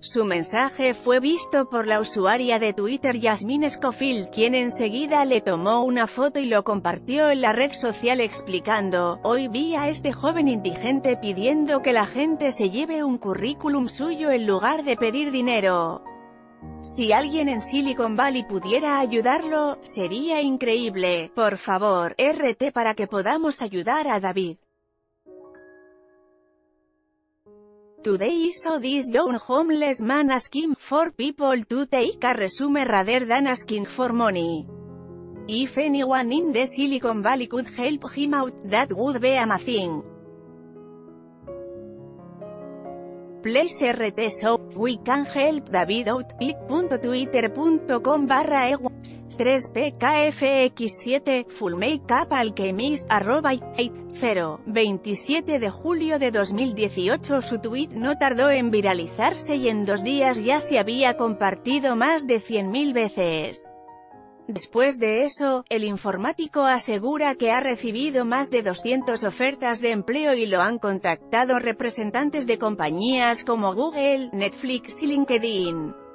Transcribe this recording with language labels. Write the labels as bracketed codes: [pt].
[es] Su mensaje fue visto por la usuaria de Twitter Yasmin Scofield, quien enseguida le tomó una foto y lo compartió en la red social explicando, hoy vi a este joven indigente pidiendo que la gente se lleve un currículum suyo en lugar de pedir dinero. Si alguien en Silicon Valley pudiera ayudarlo, sería increíble. Por favor, RT para que podamos ayudar a David. [en] Today I saw this young homeless man asking for people to take a resume rather than asking for money. If anyone in the Silicon Valley could help him out, that would be amazing. Place RT so we can help David out. twitter.com/3pkfx7 full makeup alchemist @8/0/27/07/2018. [es] Su tweet no tardó en viralizarse y en dos días ya se había compartido más de 100.000 veces. Después de eso, el informático asegura que ha recibido más de 200 ofertas de empleo y lo han contactado representantes de compañías como Google, Netflix y LinkedIn.